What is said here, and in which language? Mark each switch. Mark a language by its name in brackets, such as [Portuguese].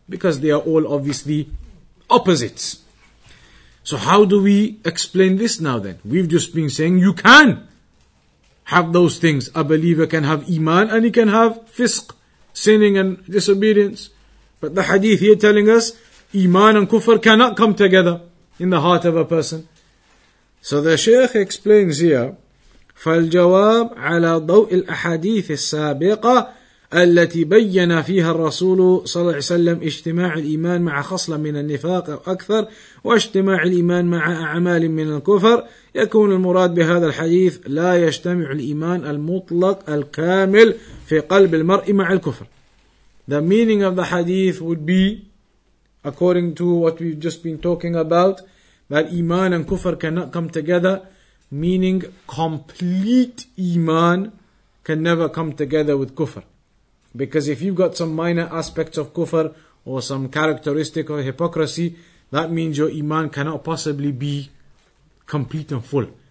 [English] Because they are all obviously opposites. So how do we explain this now then? We've just been saying you can have those things. A believer can have iman and he can have fisq, sinning and disobedience. But the hadith here telling us, iman and kufr cannot come together in the heart of a person. So the Shaykh explains here, [Arabic] فالجواب على ضوء الأحاديث السابقة التي بين فيها الرسول صلى الله عليه وسلم اجتماع الإيمان مع خصلة من النفاق أو أكثر واجتماع الإيمان مع أعمال من الكفر يكون المراد بهذا الحديث لا يجتمع الإيمان المطلق الكامل في قلب المرء مع الكفر. [English] The meaning of the hadith would be, according to what we've just been talking about, that iman and kufr cannot come together, meaning complete iman can never come together with kufr. Because if you've got some minor aspects of kufr or some characteristic of hypocrisy, that means your iman cannot possibly be complete and full.